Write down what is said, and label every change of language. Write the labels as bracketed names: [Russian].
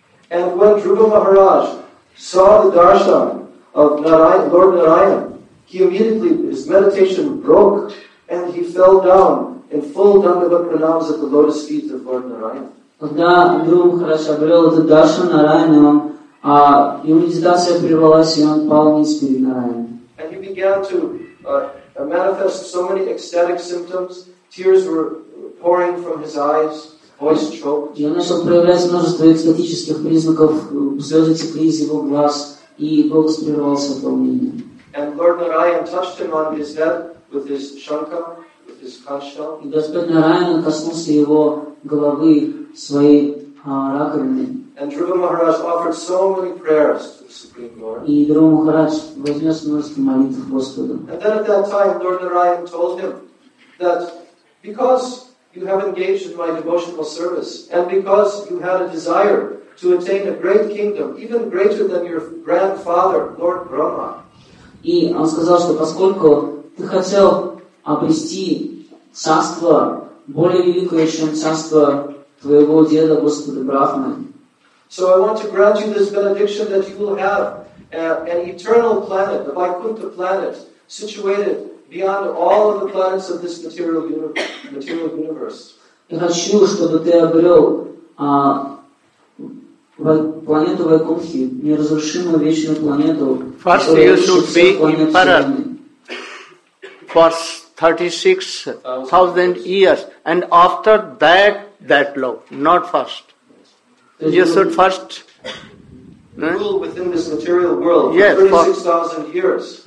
[English] And when Dhruva Maharaj saw the darshan of Lord Narayan, he immediately, his meditation broke, and he fell down in full Dandava pranams at the lotus feet of Lord Narayan. [Russian] Когда Друва Махарадж обрел этот даршан Нараяна, его медитация прервалась, и он пал вниз перед Нараяной. [English] And he began to manifest so many ecstatic symptoms. Tears were pouring from his eyes. Voice choked. [Russian] И он начал проявлять множество экстатических признаков. Слезы текли из его глаз, и голос прервался от волнения. [English] And Lord Narayan touched him on his head with his shankha, with his kasha. [Russian] И Господь Нараяна коснулся его головы своей раковиной. [English] And Dhruva Maharaj offered so many prayers to the Supreme Lord. [Russian] И Друва Махарадж вознес множество молитв Господу. [English] And then at that time, Lord Narayan told him that because you have engaged in my devotional service and because you had a desire to attain a great kingdom, even greater than your grandfather, Lord Brahma. [Russian] И он сказал, что поскольку ты хотел обрести царство более великое, чем царство твоего деда Господа Брахмы. [English] So I want to grant you this benediction that you will have an eternal planet, the Vaikuntha planet, situated beyond all of the planets of this material universe. [Russian] Я хочу, чтобы ты обрел планету Вайкунтхи, неразрушимую вечную планету. [English] First you should be in para for 36,000 years, and after that, that low, not first. You should first rule within this material world for 36,000 years.